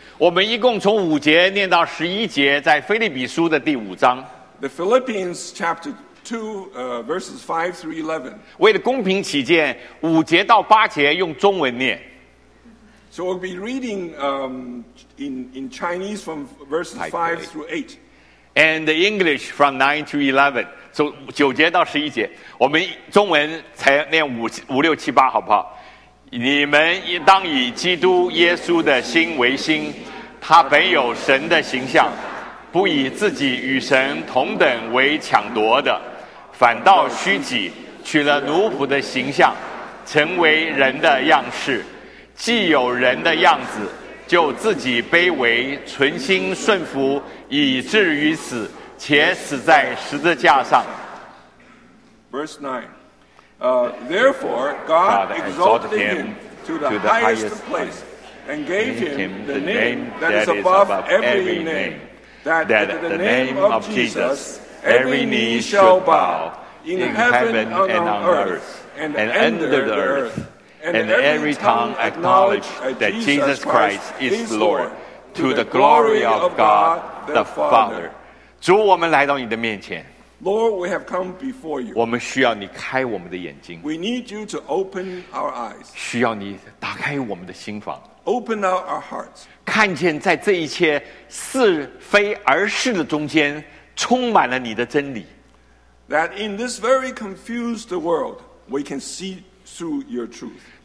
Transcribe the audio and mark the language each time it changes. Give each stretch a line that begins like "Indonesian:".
Chinese: 我们一共从五节念到十一节，在腓立比书的第五章。
English: The Philippians chapter 2, verses 5 through 11.
Chinese: 为了公平起见，五节到八节用中文念。
English: So we'll be reading in Chinese from verses 5 through 8. And the English from 9 to 11.
Chinese: 9节到11节, 我们中文才念5、6、7、8, 好不好? 你们当以基督耶稣的心为心, 他本有神的形象, 不以自己与神同等为抢夺的, 反倒虚己, 取了奴仆的形象, 成为人的样式, 既有人的样子, 就自己卑微存心顺服, 以至于死, 且死在十字架上。
English: Verse 9. Therefore, God exalted him to the highest place and gave him the name that is above every name, that at the name of Jesus every knee shall bow in heaven and on earth and under the earth, and every tongue acknowledge that Jesus Christ is Lord, to the glory of God the Father.
Chinese: 主，我们来到你的面前。
English: Lord, we have come before you.
Chinese: 我们需要你开我们的眼睛。
English: We need you to open our eyes.
Chinese: 需要你打开我们的心房。
English: Open out our hearts.
Chinese: 看见在这一切是非而是的中间充满了你的真理。
English: That in this very confused world, we can see through your truth.